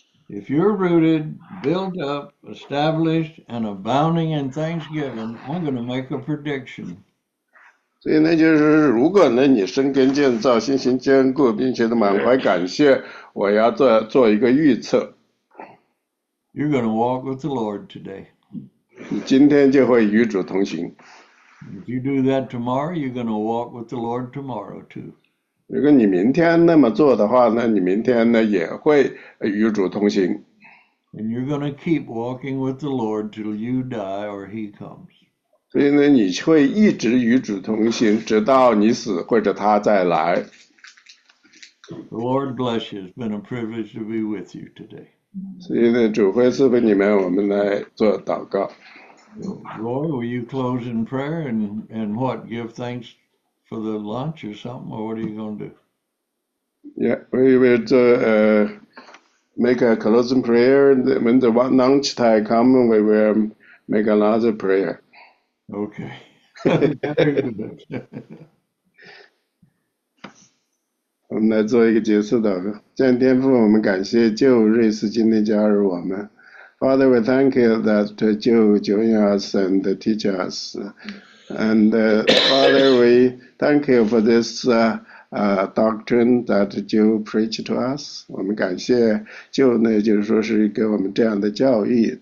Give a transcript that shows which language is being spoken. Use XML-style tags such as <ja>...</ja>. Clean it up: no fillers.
<en>If you're rooted, built up, established, and abounding in thanksgiving, I'm going to make a prediction.</en> <zh>所以呢，就是如果呢你生根建造，信心坚固，并且满怀感谢。我要做一个预测。</zh> <en>You're going to walk with the Lord today.</en> <zh>你今天就会与主同行。</zh> <en>If you do that tomorrow, you're going to walk with the Lord tomorrow too.</en> <zh>如果你明天那么做的话呢，你明天呢也会与主同行。</zh> <en>And you're going to keep walking with the Lord till you die or he comes.</en> <zh>所以呢，你会一直与主同行，直到你死或者他再来。</zh> <en>The Lord bless you. It's been a privilege to be with you today.</en> <zh>现在主会赐福你们，我们来做祷告。</zh> <en>Lord, will you close in prayer and what? Give thanks for the lunch or something, or what are you going to do? Yeah, we will do, make a closing prayer, and when the lunch time comes, we will make another prayer. Okay. Very good.</en> <zh>我们来做一个结束祷告。向天父，我们感谢旧瑞斯今天加入我们。</zh> <en>Father, we thank you that you join us and teach us. And Father, we thank you for this doctrine that you preach to us.</en> <zh>我们感谢就呢，就是说是给我们这样的教义。</zh>